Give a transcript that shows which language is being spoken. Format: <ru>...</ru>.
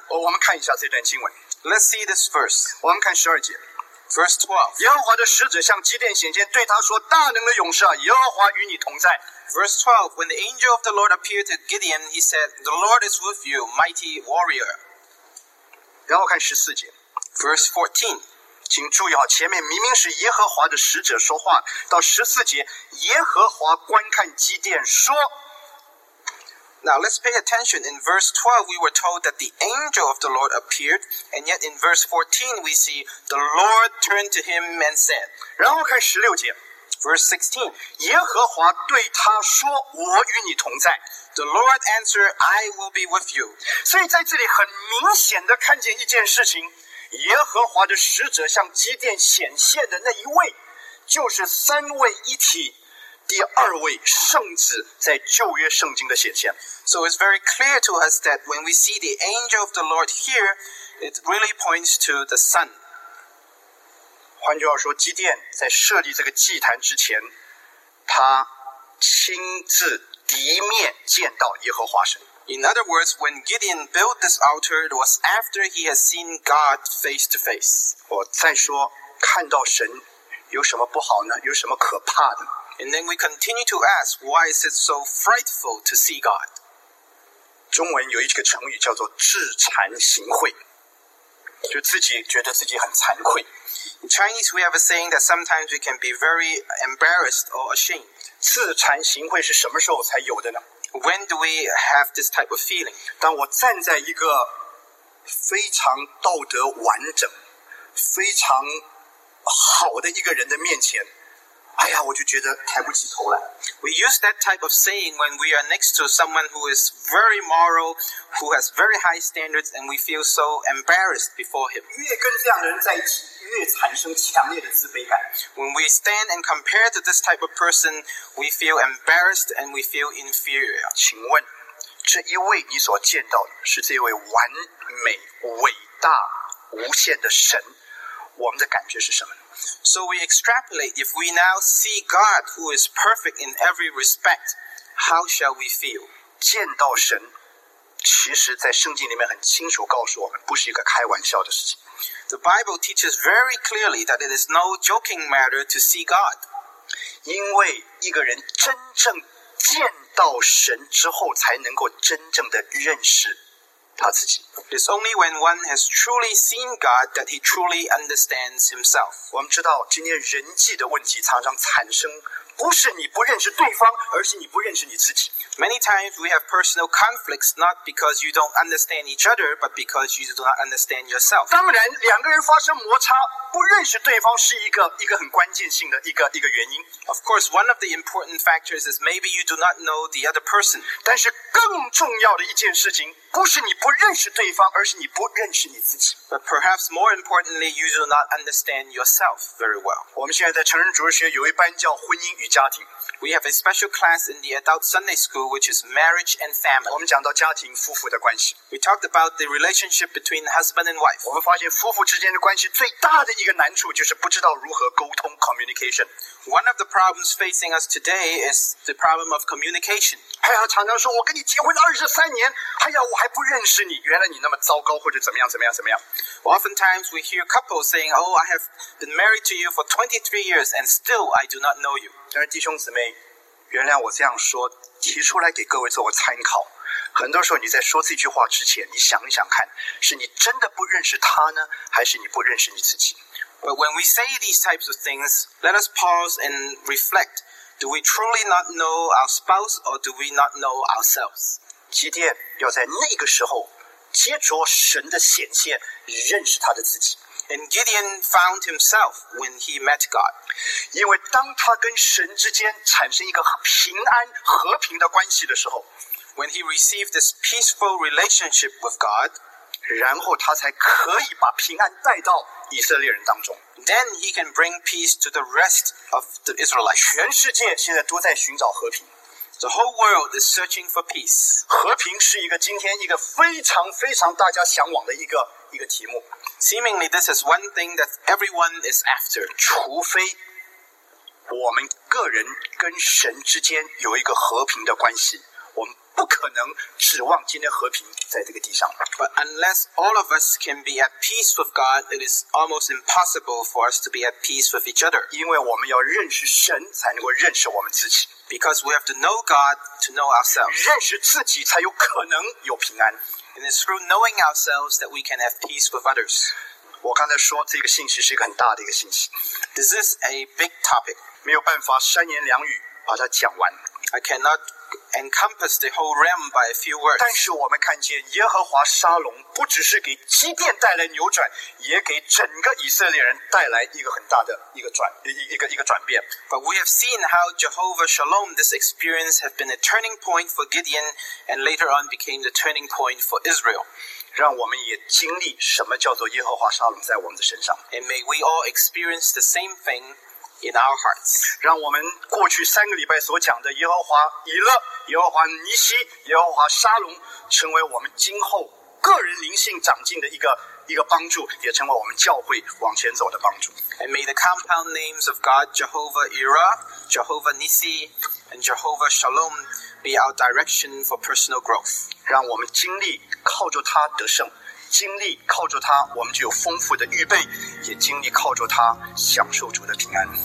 <zh>我们看一下这段经文</zh> <en>Let's see this verse.</en> <zh>我们看十二节</zh> <en>Verse 12.</en> <zh>耶和华的使者向基甸显现，对他说：“大能的勇士啊，耶和华与你同在。”</zh> <en>Verse 12. When the angel of the Lord appeared to Gideon, he said, "The Lord is with you, mighty warrior."</en> <zh>然后看十四节</zh> <en>Verse 14.</en> <zh>请注意好，前面明明是耶和华的使者说话，到十四节，耶和华观看基甸说。</zh> <en>Now let's pay attention. In verse 12, we were told that the angel of the Lord appeared, and yet in verse 14, we see the Lord turned to him and said.</en> <zh>然后看十六节</zh> <en>，verse 16,</en> <zh>耶和华对他说：“我与你同在。”</zh> <en>The Lord answered, "I will be with you."</en> <zh>所以在这里很明显的看见一件事情。耶和华的使者向基甸显现的那一位就是三位一体第二位圣子在旧约圣经的显现</zh> <en>So it's very clear to us that when we see the angel of the Lord here it really points to the Son</en> <zh>换句话说基甸在设立这个祭坛之前他亲自第一面见到耶和华神</zh> <en>In other words, when Gideon built this altar, it was after he had seen God face to face.</en> <zh>我再说，看到神有什么不好呢？有什么可怕的</zh> <en>？And then we continue to ask, why is it so frightful to see God?</en> <zh>中文有一个成语叫做自惭形秽，就自己觉得自己很惭愧。</zh> <en>In Chinese, we have a saying that sometimes we can be very embarrassed or ashamed.</en> <zh>自惭形秽是什么时候才有的呢？</zh> <en>When do we have this type of feeling?</en> <zh>当我站在一个非常道德完整、非常好的一个人的面前，哎呀，我就觉得抬不起头来。</zh> <en>We use that type of saying when we are next to someone who is very moral, who has very high standards, and we feel so embarrassed before him.</en> <zh>越跟这样的人在一起。越产生强烈的自卑感。</zh> <en>When we stand and compare to this type of person, we feel embarrassed and we feel inferior.</en> <zh>请问，这一位你所见到的是这位完美、伟大、无限的神，我们的感觉是什么呢？</zh> <en>So we extrapolate. If we now see God, who is perfect in every respect, how shall we feel?</en> <zh>见到神，其实在圣经里面很清楚告诉我们，不是一个开玩笑的事情。</zh> <en>The Bible teaches very clearly that it is no joking matter to see God.</en> <zh>因为一个人真正见到神之后，才能够真正的认识他自己。</zh> <en>It's only when one has truly seen God that he truly understands himself.</en> <zh>我们知道，今天人际的问题常常产生，不是你不认识对方，而是你不认识你自己。</zh> <en>Many times we have personal conflicts not because you don't understand each other, but because you do not understand yourself.</en> <zh>当然，两个人发生摩擦，不认识对方是一个很关键性的一个原因。</zh> <en>Of course, one of the important factors is maybe you do not know the other person.</en> <zh>但是更重要的一件事情，不是你不认识对方，而是你不认识你自己。</zh> <en>But perhaps more importantly, you do not understand yourself very well.</en> <zh>我们现在在成人主日学有一班叫婚姻与家庭。</zh> <en>We have a special class in the adult Sunday school, which is marriage and family.</en> <zh>我们讲到家庭夫妇的关系。</zh> <en>We talked about the relationship between husband and wife.</en> <zh>我们发现夫妇之间的关系最大的一个难处就是不知道如何沟通 communication.</zh> <en>One of the problems facing us today is the problem of communication.</en> <zh>哎呀，常常说我跟你结婚23年，哎呀，我还不认识你，原来你那么糟糕，或者怎么样。</zh> <en>Well, oftentimes we hear couples saying, "Oh, I have been married to you for 23 years, and still I do not know you."</en> <zh>但是弟兄姊妹，原谅我这样说，提出来给各位做个参考。很多时候你在说这句话之前，你想一想看，是你真的不认识他呢，还是你不认识你自己？</zh> <en>But when we say these types of things, let us pause and reflect. Do we truly not know our spouse, or do we not know ourselves?</en> <zh>基甸要在那个时候接着神的显现认识他的自己。</zh> <en>And Gideon found himself when he met God.</en> <zh>因为当他跟神之间产生一个平安和平的关系的时候，</zh> <en>When he received this peaceful relationship with God,</en> <zh>然后他才可以把平安带到以色列人当中。</zh> <en>Then he can bring peace to the rest of the Israelites.</en> <zh>全世界现在都在寻找和平。</zh> <en>The whole world is searching for peace.</en> <zh>和平是一个今天一个非常非常大家向往的一个题目。</zh> <en>Seemingly, this is one thing that everyone is after.</en> <zh>除非我们个人跟神之间有一个和平的关系，我们不可能指望今天和平在这个地上。</zh> <en>But unless all of us can be at peace with God, it is almost impossible for us to be at peace with each other.</en> <zh>因为我们要认识神，才能够认识我们自己。</zh> <en>Because we have to know God to know ourselves.</en> <zh>认识自己才有可能有平安。</zh> <en>And it's through knowing ourselves that we can have peace with others.</en> <zh>我刚才说这个信息是一个很大的一个信息。</zh> <en>This is a big topic.</en> <zh>没有办法三言两语把它讲完。</zh> <en>I cannot encompass the whole realm by a few words.</en> <zh>但是我们看见耶和华沙龙不只是给基甸带来扭转，也给整个以色列人带来一个很大的一个转变。</zh> <en>But we have seen how Jehovah Shalom, this experience, have been a turning point for Gideon, and later on became the turning point for Israel.</en> <zh>让我们也经历什么叫做耶和华沙龙在我们的身上。</zh> <en>And may we all experience the same thing. In our hearts.</en> <zh>让我们过去三个礼拜所讲的耶和华以勒、耶和华尼西、耶和华沙龙，成为我们今后个人灵性长进的一个帮助，也成为我们教会往前走的帮助。</zh> <en>And may the compound names of God, Jehovah Ira, Jehovah Nisi, and Jehovah Shalom be our direction for personal growth.</en> <zh>让我们经历靠着他得胜。经历靠着他，我们就有丰富的预备，也经历靠着他享受主的平安。</zh>